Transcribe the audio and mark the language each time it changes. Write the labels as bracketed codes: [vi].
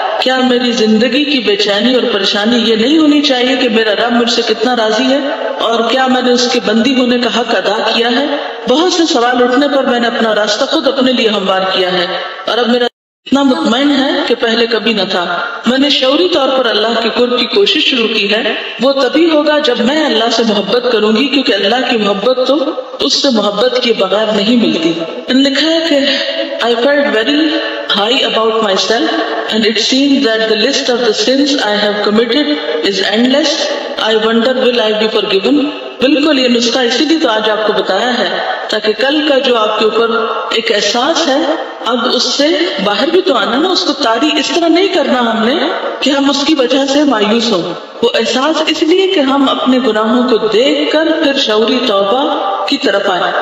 [ur] کیا میری زندگی کی بے چینی اور پریشانی یہ نہیں ہونی چاہیے کہ میرا رب مجھ سے کتنا راضی ہے, اور کیا میں نے اس کے بندی ہونے کا حق ادا کیا ہے؟ بہت سے سوال اٹھنے پر میں نے اپنا راستہ خود اپنے لیے ہموار کیا ہے, اور اب میرا اتنا مطمئن ہے کہ پہلے کبھی نہ تھا. میں نے شعوری طور پر اللہ کے قرب کی کوشش شروع کی ہے, وہ تبھی ہوگا جب میں اللہ سے محبت کروں گی, کیونکہ اللہ کی محبت تو اس سے محبت کے بغیر نہیں ملتی. لکھا ہے کہ [en] I felt very high about myself and it seems that the list of the sins I have committed is endless. I wonder will I be forgiven. [ur] بالکل یہ نسخہ اسی لیے تو آج آپ کو بتایا ہے تاکہ کل کا جو آپ کے اوپر ایک احساس ہے اب اس سے باہر بھی تو آنا نا, اس کو تاری اس طرح نہیں کرنا ہم نے کہ ہم اس کی وجہ سے مایوس ہوں. وہ احساس اس لیے کہ ہم اپنے گناہوں کو دیکھ کر پھر شعوری توبہ کی طرف آئے.